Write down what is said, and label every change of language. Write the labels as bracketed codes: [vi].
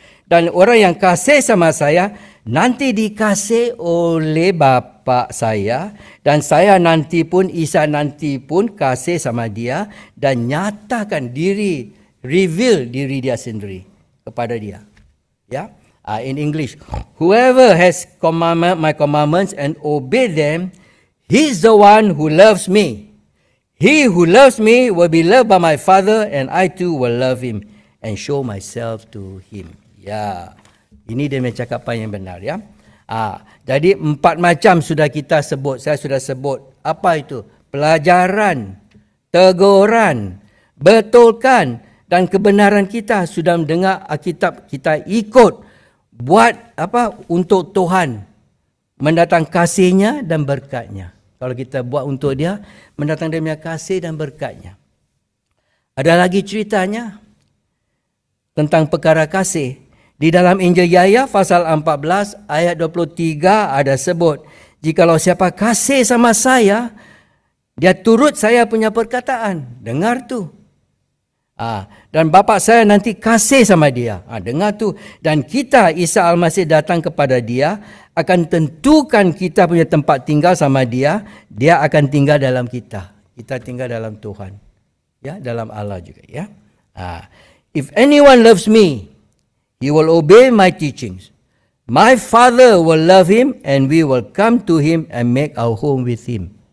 [ms] dan orang yang kasih sama saya nanti dikasih oleh Bapa saya, dan saya nanti pun, Isa nanti pun kasih sama dia dan nyatakan diri, reveal diri dia sendiri kepada dia. [en] Ya, in English, whoever has commandment, my commandments and obey them, he's the one who loves me. He who loves me will be loved by my Father, and I too will love him and show myself to him. [ms] Ya, ini dia punya cakapan yang benar ya. Jadi empat macam sudah kita sebut, saya sudah sebut. Apa itu? Pelajaran, teguran, betulkan dan kebenaran kita. Sudah mendengar Alkitab, kita ikut buat apa untuk Tuhan, mendatang kasihnya dan berkatnya. Kalau kita buat untuk dia, mendatang dia punya kasih dan berkatnya. Ada lagi ceritanya tentang perkara kasih. Di dalam Injil Yahya pasal 14 ayat 23 ada sebut, jikalau siapa kasih sama saya, dia turut saya punya perkataan. Dengar tu. Dan Bapa saya nanti kasih sama dia. Dengar tu. Dan kita, Isa Al-Masih, datang kepada dia, akan tentukan kita punya tempat tinggal sama dia. Dia akan tinggal dalam kita. Kita tinggal dalam Tuhan. Ya, dalam Allah juga. Ya. [en] If anyone loves me, he will obey my teachings. My Father will love him and we will come to him and make our home with him.